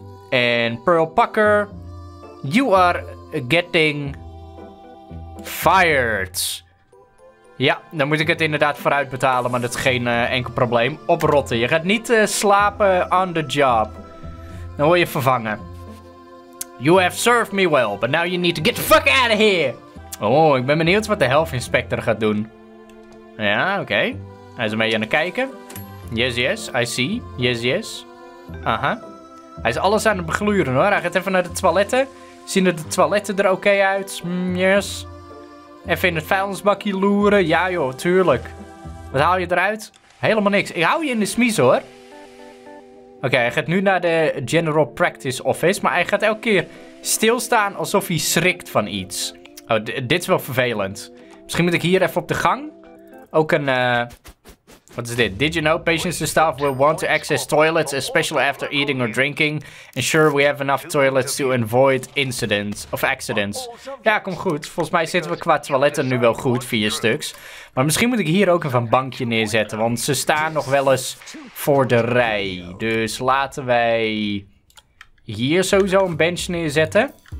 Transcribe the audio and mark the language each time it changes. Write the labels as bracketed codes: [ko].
[en] En Pearl Pucker. You are getting fired. [nl] Ja, dan moet ik het inderdaad vooruit betalen. Maar dat is geen enkel probleem. Oprotten. Je gaat niet slapen [en] on the job. [nl] Dan word je vervangen. [en] You have served me well, but now you need to get the fuck out of here. [nl] Oh, ik ben benieuwd wat de health inspector gaat doen. Ja, oké. Hij is een beetje aan het kijken. [en] Yes, I see. Yes. [nl] Aha. Hij is alles aan het begluren hoor. Hij gaat even naar de toiletten. Zien de toiletten er oké uit? Yes. Even in het vuilnisbakje loeren. Ja joh, tuurlijk. Wat haal je eruit? Helemaal niks. Ik hou je in de smies hoor. Oké, hij gaat nu naar de General Practice Office. Maar hij gaat elke keer stilstaan alsof hij schrikt van iets. Oh, dit is wel vervelend. Misschien moet ik hier even op de gang ook een [en] What is this? Did you know patients and staff will want to access toilets, especially after eating or drinking? Ensure we have enough toilets to avoid incidents of accidents. [nl] Ja, kom goed. Volgens mij zitten we qua toiletten nu wel goed, 4 stuks. Maar misschien moet ik hier ook even een bankje neerzetten, want ze staan nog wel eens voor de rij. Dus laten wij hier sowieso een bench neerzetten.